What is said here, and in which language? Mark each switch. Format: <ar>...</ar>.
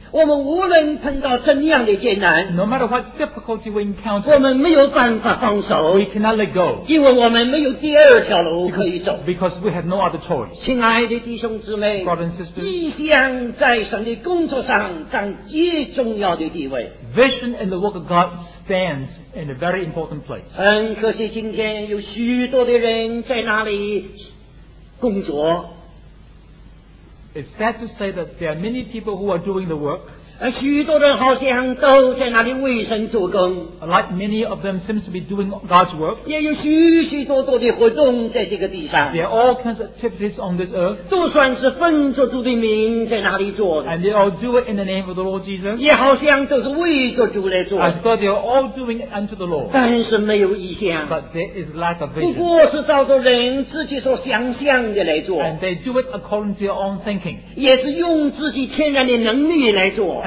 <zh>我们无论碰到怎样的艰难</zh> <en>No matter what difficulty we encounter</en> <zh>我们没有办法放手</zh> <en>we cannot let go</en> <zh>因为我们没有第二条路可以走</zh> <en>because we have no other choice</en> <zh>亲爱的弟兄姊妹</zh> <en>brothers and sisters</en> <zh>意向在神的工作上占极重要的地位</zh> <en>vision and the work of God stands in a very important place</en> <zh>很可惜今天有许多的人在那里工作</zh> <en>it's sad to say that there are many people who are doing the work</en> <zh>许多人好像都在那里为神做工。</zh> <en>Like many of them seems to be doing God's work.</en> <zh>也有许许多多的活动在这个地上。</zh> <en>There are all kinds of activities on this earth.</en> <zh>就算是奉着主的名在那里做的。</zh> <en>And they all do it in the name of the Lord Jesus.</en> <zh>也好像都是为着主来做的。</zh> <en>As though they are all doing it unto the Lord.</en> <zh>但是没有意向。</zh> <en>But there is lack of vision.</en> <zh>不过是照着人自己所想象的来做。</zh> <en>And they do it according to their own thinking.</en> <zh>也是用自己天然的能力来做。</zh>